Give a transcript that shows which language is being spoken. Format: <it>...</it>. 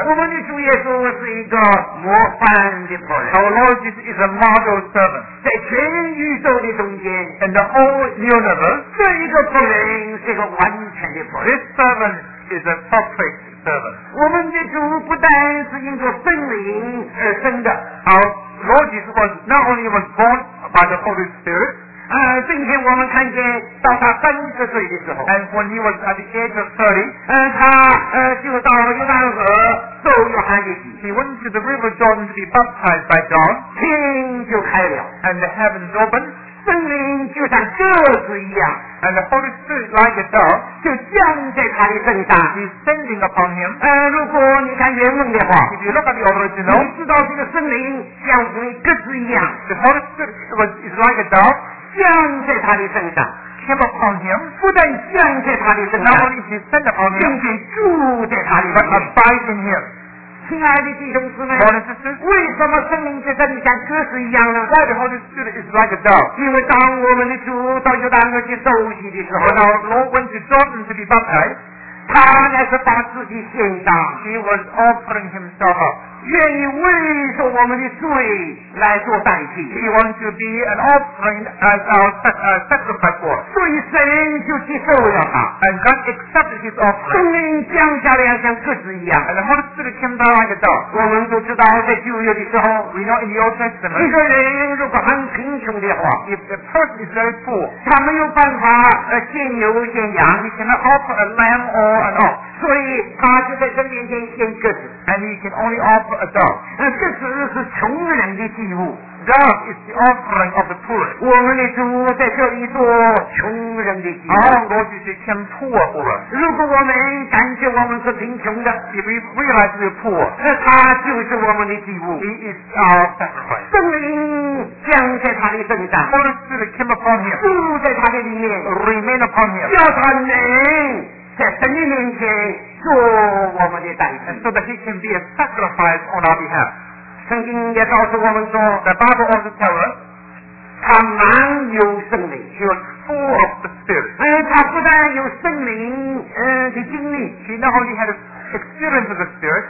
<zh>我们的主耶稣是一个模范的仆人。</zh> <en>Our Lord Jesus is a model servant.</en> <zh>在全宇宙的中间,</zh> <en>in the whole universe,</en> <zh>这一个仆人是个完全的仆人。</zh> <en>This servant is a perfect servant.</en> <zh>我们的主不但是因着圣灵而生的。</zh> <en>Our Lord Jesus was not only was born by the Holy Spirit,</en> <zh>并且我们看见到他三十岁的时候</zh> <en>and when he was at the age of 30,</en> <zh>他就到了约旦河受约翰的洗</zh> <en>he went to the river Jordan to be baptized by John</en> <zh>天就开了</zh> <en>and the heavens opened</en> <zh>圣灵就像鸽子一样</zh> <en>and the Holy Spirit like a dove</en> <zh>就降在他的身上</zh> <en>he's sending upon him</en> <zh>如果你看原文的话</zh> <en>if you look at the original</en> <zh>你知道这个圣灵像一个鸽子一样</zh> <en>the Holy Spirit is like a dove</en> <zh>降在他的身上</zh> <en>came upon him</en> <zh>不但降在他的身上</zh> <en>not only did he send upon him</en> <zh>并且住在他的身上</zh> <en>but abide in him</en> <zh>亲爱的弟兄姊妹 为什么圣灵在这里像鸽子一样呢</zh> <en>why the Holy Spirit is like a dove</en> <zh>因为当我们的主到约旦河去受洗的时候</zh> <en>when our Lord went to Jordan to be baptized</en> <zh>他乃是把自己献上</zh> <en>he was offering himself up</en> <zh>愿意为着我们的罪来做代替</zh> <en>He wants to be an offering as our sacrifice for</en> <zh>所以神就接受了他</zh> <en>And God accepted his offering</en> <zh>生命降下来像鸽子一样</zh> <en>And the Holy Spirit came down like a dove</en> <zh>我们都知道在旧约的时候</zh> <en>We know in the Old Testament</en> <zh>一个人如果很贫穷的话</zh> <en>If the person is very poor</en> <zh>他没有办法献牛献羊</zh> <en>He cannot offer a lamb or an ox</en> <zh>所以他就在这面前献鸽子</zh> <en>And he can only offer a dove</en> <zh>鸽子是穷人的祭物</zh> <en>Dove is the offering of the poor</en> <zh>我们的主在这里做穷人的祭物</zh> <en>Our Lord is a poor for us</en> <zh>如果我们感觉我们是贫穷的</zh> <en>If we realize we are poor</en> <zh>他就是我们的祭物</zh> <en>He is our sacrifice</en> <zh>圣灵降在他的身上</zh> <en>Holy Spirit came upon him</en> <zh>住在他的里面</zh> <en>Remain upon him</en> <zh>叫他能在神的面前做我们的代神</zh> <en>so that he can be a sacrifice on our behalf</en> <zh>圣经也告诉我们说</zh> <en>the Bible also tells us</en> <zh>他满有圣灵</zh> <en>he was full of the spirit</en> <zh>他不但有圣灵的经历</zh> <en>he not only had an experience of the spirit</en>